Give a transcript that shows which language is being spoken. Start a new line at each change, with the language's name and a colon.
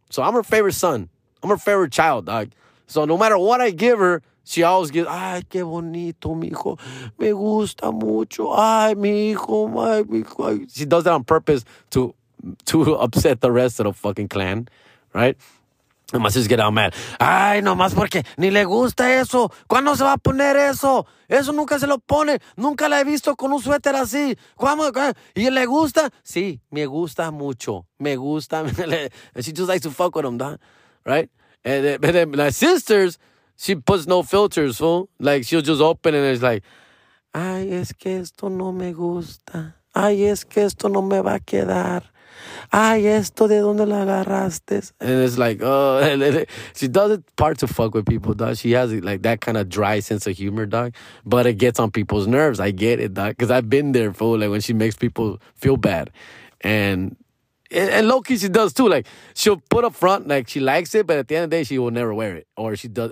English: So I'm her favorite son. I'm her favorite child, dog. So no matter what I give her, she always gives,
Spanish: ay, qué bonito, mijo. Me gusta mucho. Ay, mijo, my mijo.
English: She does that on purpose to upset the rest of the fucking clan, right? And my sisters get all mad.
Spanish: Ay, no más porque ni le gusta eso. ¿Cuándo se va a poner eso? Eso nunca se lo pone. Nunca la he visto con un suéter así. ¿Y le gusta? Sí, me gusta mucho. Me gusta.
English: She just likes to fuck with him, dog. Right? And then my sisters, she puts no filters, fool. Like, she'll just open and it's like,
Spanish: ay, es que esto no me gusta. Ay, es que esto no me va a quedar. Ay, esto de donde la agarraste.
English: And it's like, oh. She does it part to fuck with people, dog. She has, like, that kind of dry sense of humor, dog. But it gets on people's nerves. I get it, dog. Because I've been there, fool. Like, when she makes people feel bad. And low-key, she does, too. Like, she'll put up front, like, she likes it, but at the end of the day, she will never wear it. Or she does.